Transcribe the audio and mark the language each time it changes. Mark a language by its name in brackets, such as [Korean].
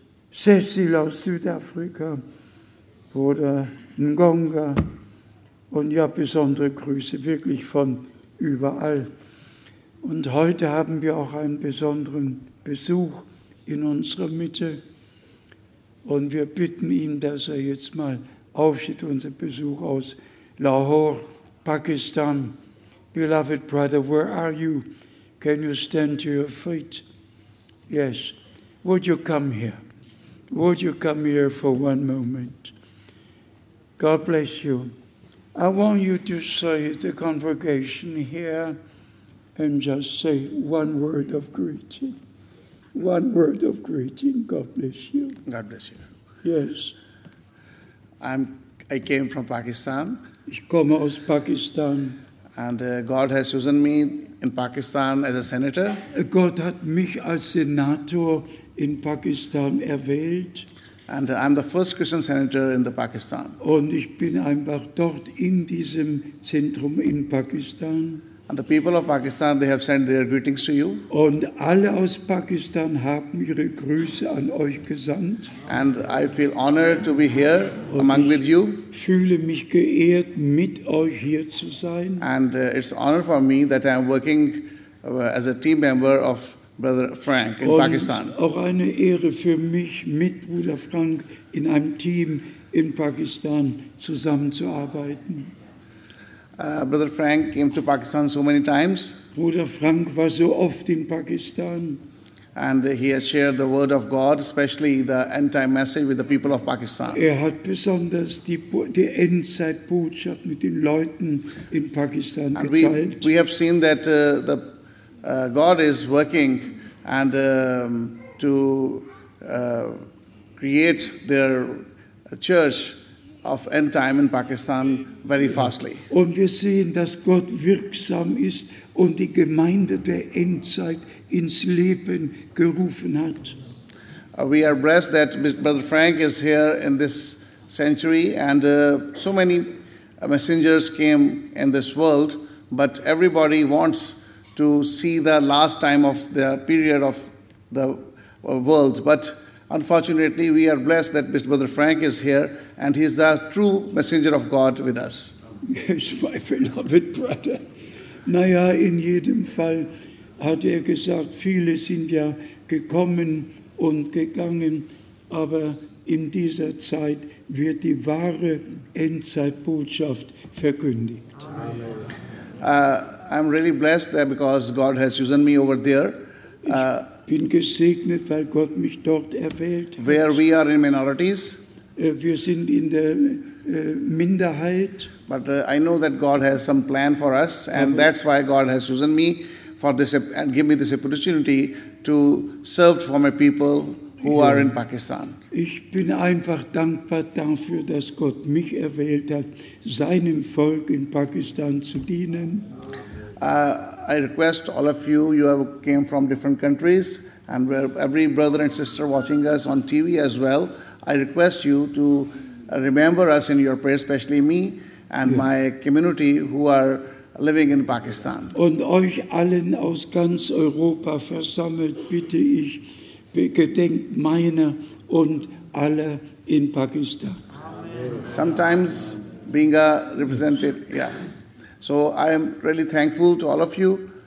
[German] Cecil aus Südafrika, Bruder Ngonga, und ja, besondere Grüße wirklich von überall. Und heute haben wir auch einen besonderen Besuch in unserer Mitte, und wir bitten ihn, dass er jetzt mal aufsteht, unser Besuch aus Lahore, Pakistan. [English] Beloved brother, where are you? Can you stand to your feet? Yes. Would you come here? Would you come here for one moment? God bless you. I want you to say the congregation here and just say one word of greeting. One word of greeting. God bless you. God bless you. Yes. I came from Pakistan. [German] Ich komme aus Pakistan. [English] And God has chosen me in Pakistan as a senator. [German] Gott hat mich als Senator in Pakistan erwählt. [English] And I'm the first Christian senator in the Pakistan. [German] Und ich bin einfach dort in diesem Zentrum in Pakistan. [English] And the people of Pakistan, they have sent their greetings to you. [German] Und alle aus Pakistan haben ihre Grüße an euch gesandt. [English] And I feel honored to be here among with you. [German] Ich fühle mich geehrt, mit euch hier zu sein. [English] And it's an honor for me that I'm working as a team member of Brother Frank in [German] Und [English] Pakistan. [German] Auch eine Ehre für mich, mit Bruder Frank in einem Team in Pakistan zusammenzuarbeiten. [English] Brother Frank came to Pakistan so many times. [German] Bruder Frank war so oft in Pakistan. [English] And he has shared the word of God, especially the end-time message with the people of Pakistan. [German] Er hat besonders die Endzeitbotschaft mit den Leuten in Pakistan [English] and [German] geteilt. [English] We have seen that God is working and to create their church of end time in Pakistan very fastly. [German] Und wir sehen, dass Gott wirksam ist und die Gemeinde der Endzeit ins Leben gerufen hat. [English] We are blessed that Brother Frank is here in this century, and so many messengers came in this world, but everybody wants to see the last time of the period of the world. But unfortunately, we are blessed that Mr. Brother Frank is here, and he is the true messenger of God with us. Yes, my beloved brother. [German] Naja, in jedem Fall hat gesagt, viele sind ja gekommen und gegangen, aber in dieser Zeit wird die wahre Endzeitbotschaft verkündigt. [English] I'm really blessed there because God has chosen me over there. [German] Ich bin gesegnet, weil Gott mich dort erwählt hat. [English] Where we are in minorities. [German] Wir sind in der Minderheit. [English] But I know that God has some plan for us, and [German] aber [English] that's why God has chosen me for this and give me this opportunity to serve for my people who are in Pakistan. [German] Ich bin einfach dankbar dafür, dass Gott mich erwählt hat, seinem Volk in Pakistan zu dienen. [English] I request all of you, you have came from different countries, and every brother and sister watching us on TV as well, I request you to remember us in your prayers, especially me and my community who are living in Pakistan. [German] Und euch allen aus ganz Europa versammelt, bitte ich, gedenkt meiner und aller in Pakistan. [English] Sometimes being a representative, So I am really thankful to all of you.